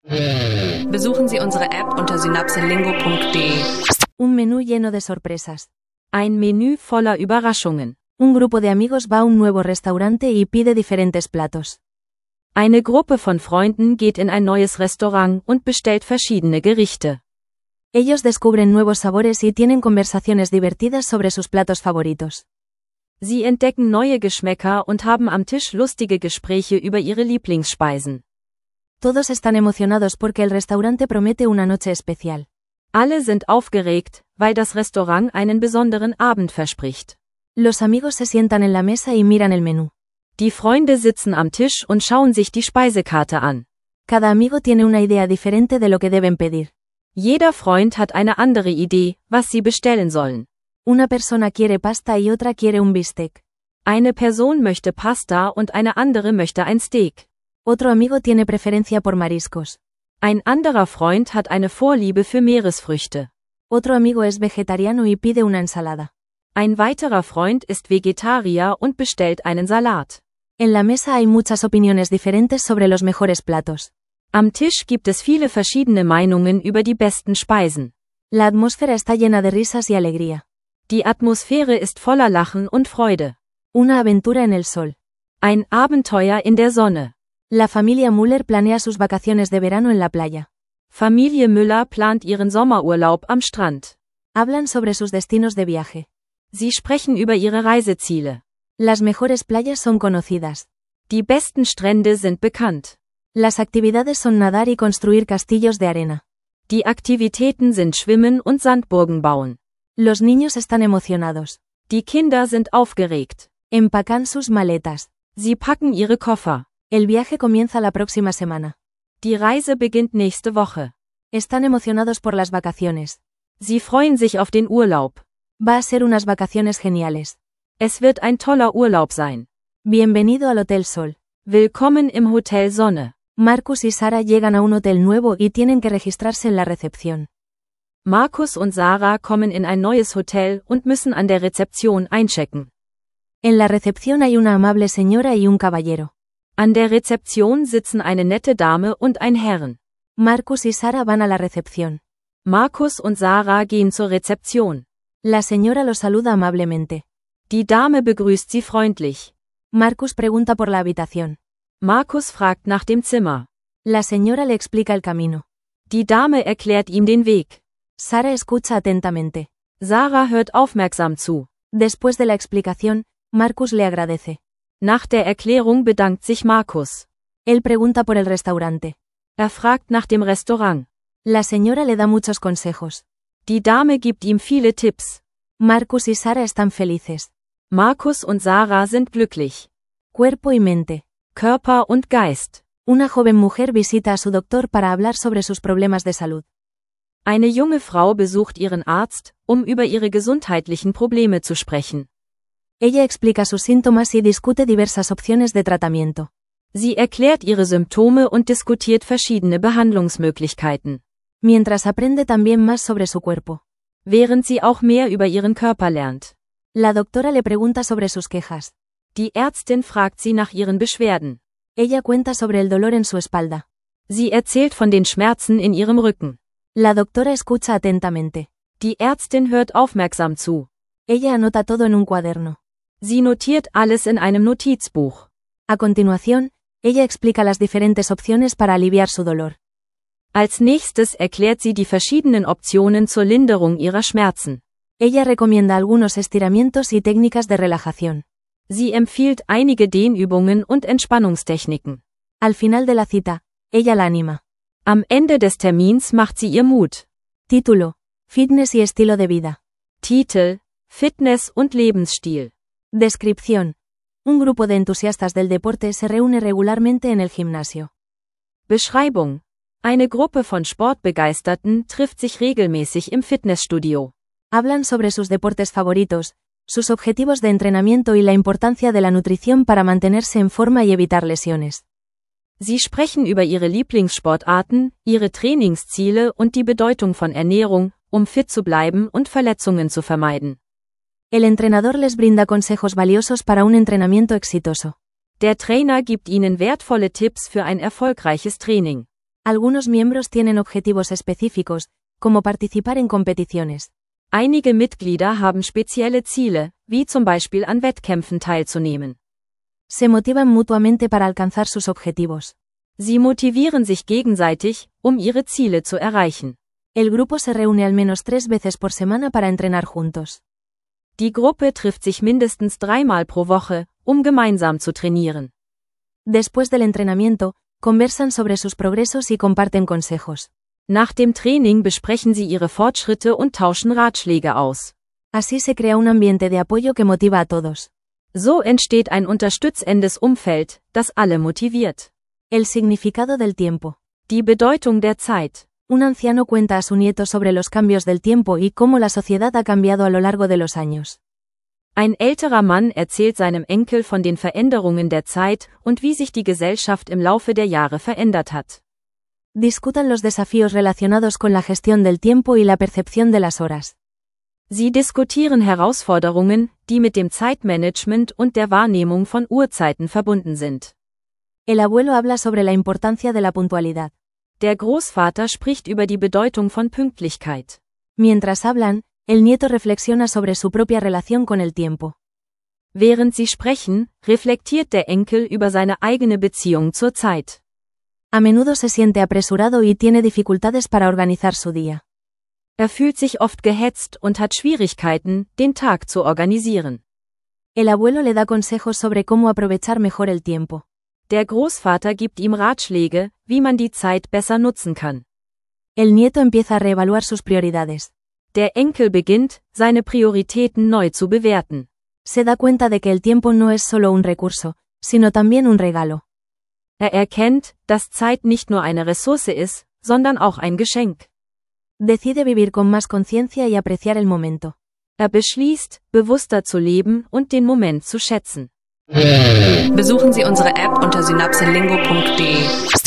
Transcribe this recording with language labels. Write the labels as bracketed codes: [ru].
[de] Besuchen Sie unsere App unter synapselingo.de. [es] Un menú lleno de sorpresas. [de] Ein Menü voller Überraschungen. [es] Un grupo de amigos va a un nuevo restaurante y pide diferentes platos. [de] Eine Gruppe von Freunden geht in ein neues Restaurant und bestellt verschiedene Gerichte. [es] Ellos descubren nuevos sabores y tienen conversaciones divertidas sobre sus platos favoritos. [de] Sie entdecken neue Geschmäcker und haben am Tisch lustige Gespräche über ihre Lieblingsspeisen. [es] Todos están emocionados porque el restaurante promete una noche especial. [de] Alle sind aufgeregt, weil das Restaurant einen besonderen Abend verspricht. [es] Los amigos se sientan en la mesa y miran el menú. [de] Die Freunde sitzen am Tisch und schauen sich die Speisekarte an. [es] Cada amigo tiene una idea diferente de lo que deben pedir. [de] Jeder Freund hat eine andere Idee, was sie bestellen sollen. [es] Una persona quiere pasta y otra quiere un bistec. [de] Eine Person möchte Pasta und eine andere möchte ein Steak. [es] Otro amigo tiene preferencia por mariscos. [de] Ein anderer Freund hat eine Vorliebe für Meeresfrüchte. [es] Otro amigo es vegetariano y pide una ensalada. [de] Ein weiterer Freund ist Vegetarier und bestellt einen Salat. [es] En la mesa hay muchas opiniones diferentes sobre los mejores platos. [de] Am Tisch gibt es viele verschiedene Meinungen über die besten Speisen. [es] La atmósfera está llena de risas y alegría. [de] Die Atmosphäre ist voller Lachen und Freude. [es] Una aventura en el sol. [de] Ein Abenteuer in der Sonne. [es] La familia Müller planea sus vacaciones de verano en la playa. [de] Familie Müller plant ihren Sommerurlaub am Strand. [es] Hablan sobre sus destinos de viaje. [de] Sie sprechen über ihre Reiseziele. [es] Las mejores playas son conocidas. [de] Die besten Strände sind bekannt. [es] Las actividades son nadar y construir castillos de arena. [de] Die Aktivitäten sind Schwimmen und Sandburgen bauen. [es] Los niños están emocionados. [de] Die Kinder sind aufgeregt. [es] Empacan sus maletas. [de] Sie packen ihre Koffer. [es] El viaje comienza la próxima semana. [de] Die Reise beginnt nächste Woche. [es] Están emocionados por las vacaciones. [de] Sie freuen sich auf den Urlaub. [es] Va a ser unas vacaciones geniales. [de] Es wird ein toller Urlaub sein. [es] Bienvenido al Hotel Sol. [de] Willkommen im Hotel Sonne. [es] Markus y Sara llegan a un hotel nuevo y tienen que registrarse en la recepción. [de] Markus und Sarah kommen in ein neues Hotel und müssen an der Rezeption einchecken. [es] En la recepción hay una amable señora y un caballero. [de] An der Rezeption sitzen eine nette Dame und ein Herren. [es] Markus y Sara van a la recepción. [de] Markus und Sarah gehen zur Rezeption. [es] La señora los saluda amablemente. [de] Die Dame begrüßt sie freundlich. [es] Markus pregunta por la habitación. [de] Markus fragt nach dem Zimmer. [es] La señora le explica el camino. [de] Die Dame erklärt ihm den Weg. [es] Sara escucha atentamente. [de] Sarah hört aufmerksam zu. [es] Después de la explicación, Markus le agradece. [de] Nach der Erklärung bedankt sich Markus. [es] Él pregunta por el restaurante. [de] Er fragt nach dem Restaurant. [es] La señora le da muchos consejos. [de] Die Dame gibt ihm viele Tipps. [es] Markus y Sara están felices. [de] Markus und Sarah sind glücklich. [es] Cuerpo y mente. [de] Körper und Geist. [es] Una joven mujer visita a su doctor para hablar sobre sus problemas de salud. [de] Eine junge Frau besucht ihren Arzt, um über ihre gesundheitlichen Probleme zu sprechen. [es] Ella explica sus síntomas y discute diversas opciones de tratamiento. [de] Sie erklärt ihre Symptome und diskutiert verschiedene Behandlungsmöglichkeiten. [es] Mientras aprende también más sobre su cuerpo. [de] Während sie auch mehr über ihren Körper lernt. [es] La doctora le pregunta sobre sus quejas. [de] Die Ärztin fragt sie nach ihren Beschwerden. [es] Ella cuenta sobre el dolor en su espalda. [de] Sie erzählt von den Schmerzen in ihrem Rücken. [es] La doctora escucha atentamente. [de] Die Ärztin hört aufmerksam zu. [es] Ella anota todo en un cuaderno. [de] Sie notiert alles in einem Notizbuch. [es] A continuación, ella explica las diferentes opciones para aliviar su dolor. [de] Als nächstes erklärt sie die verschiedenen Optionen zur Linderung ihrer Schmerzen. [es] Ella recomienda algunos estiramientos y técnicas de relajación. [de] Sie empfiehlt einige Dehnübungen und Entspannungstechniken. [es] Al final de la cita, ella la anima. [de] Am Ende des Termins macht sie ihr Mut. [es] Título: Fitness y estilo de vida. [de] Titel: Fitness und Lebensstil. [es] Descripción: Un grupo de entusiastas del deporte se reúne regularmente en el gimnasio. [de] Beschreibung: Eine Gruppe von Sportbegeisterten trifft sich regelmäßig im Fitnessstudio. [es] Hablan sobre sus deportes favoritos, sus objetivos de entrenamiento y la importancia de la nutrición para mantenerse en forma y evitar lesiones. [de] Sie sprechen über ihre Lieblingssportarten, ihre Trainingsziele und die Bedeutung von Ernährung, um fit zu bleiben und Verletzungen zu vermeiden. [es] El entrenador les brinda consejos valiosos para un entrenamiento exitoso. [de] Der Trainer gibt ihnen wertvolle Tipps für ein erfolgreiches Training. [es] Algunos miembros tienen objetivos específicos, como participar en competiciones. [de] Einige Mitglieder haben spezielle Ziele, wie zum Beispiel an Wettkämpfen teilzunehmen. [es] Se motivan mutuamente para alcanzar sus objetivos. [de] Sie motivieren sich gegenseitig, um ihre Ziele zu erreichen. [es] El grupo se reúne al menos tres veces por semana para entrenar juntos. [de] Die Gruppe trifft sich mindestens dreimal pro Woche, um gemeinsam zu trainieren. [es] Después del entrenamiento, conversan sobre sus progresos y comparten consejos. [de] Nach dem Training besprechen sie ihre Fortschritte und tauschen Ratschläge aus. [es] Así se crea un ambiente de apoyo que motiva a todos. [de] So entsteht ein unterstützendes Umfeld, das alle motiviert. [es] El significado del tiempo. [de] Die Bedeutung der Zeit. [es] Un anciano cuenta a su nieto sobre los cambios del tiempo y cómo la sociedad ha cambiado a lo largo de los años. [de] Ein älterer Mann erzählt seinem Enkel von den Veränderungen der Zeit und wie sich die Gesellschaft im Laufe der Jahre verändert hat. [es] Discutan los desafíos relacionados con la gestión del tiempo y la percepción de las horas. [de] Sie diskutieren Herausforderungen, die mit dem Zeitmanagement und der Wahrnehmung von Uhrzeiten verbunden sind. [es] El abuelo habla sobre la importancia de la puntualidad. [de] Der Großvater spricht über die Bedeutung von Pünktlichkeit. [es] Mientras hablan, el nieto reflexiona sobre su propia relación con el tiempo. [de] Während sie sprechen, reflektiert der Enkel über seine eigene Beziehung zur Zeit. [es] A menudo se siente apresurado y tiene dificultades para organizar su día. [de] Er fühlt sich oft gehetzt und hat Schwierigkeiten, den Tag zu organisieren. [es] El abuelo le da consejos sobre cómo aprovechar mejor el tiempo. [de] Der Großvater gibt ihm Ratschläge, wie man die Zeit besser nutzen kann. [es] El nieto empieza a reevaluar sus prioridades. [de] Der Enkel beginnt, seine Prioritäten neu zu bewerten. [es] Se da cuenta de que el tiempo no es solo un recurso, sino también un regalo. [de] Er erkennt, dass Zeit nicht nur eine Ressource ist, sondern auch ein Geschenk. [es] Decide vivir con más conciencia y apreciar el momento. [de] Er beschließt, bewusster zu leben und den Moment zu schätzen. Besuchen Sie unsere App unter synapsenlingo.de.